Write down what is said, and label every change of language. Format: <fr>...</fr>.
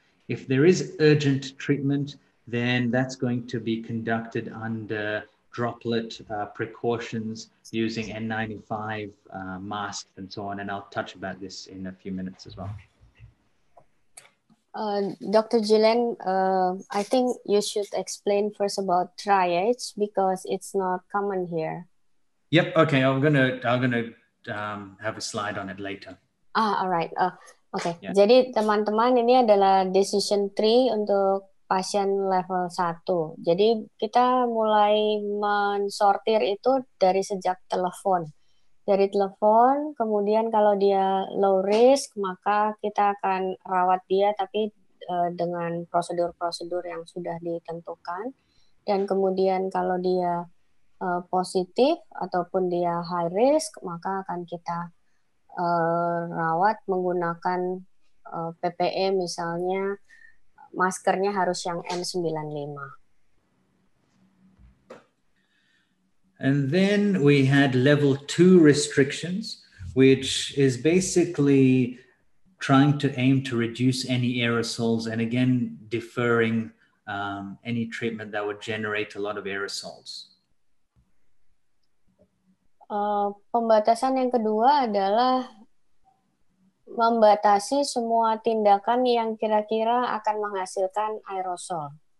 <en>If there is urgent treatment, then that's going to be conducted under droplet precautions using N95 masks and so on, and I'll touch about this in a few minutes as well. Dr. Jillian, I think you should explain first about triage because it's not common here. Yep. Okay. I'm gonna have a slide on it later. Ah, all right. Okay. Yeah.</en> <id>Jadi teman-teman, ini adalah decision tree untuk pasien level 1. Jadi kita mulai mensortir itu dari sejak telepon. Dari telepon, kemudian kalau dia low risk, maka kita akan rawat dia tapi dengan prosedur-prosedur yang sudah ditentukan. Dan kemudian kalau dia positif ataupun dia high risk, maka akan kita rawat menggunakan PPE misalnya maskernya harus yang N95.</id> <en>And then we had level 2 restrictions, which is basically trying to aim to reduce any aerosols and again deferring any treatment that would generate a lot of aerosols.</en> <id>Pembatasan yang kedua adalah membatasi semua tindakan yang kira-kira akan menghasilkan aerosol.</id>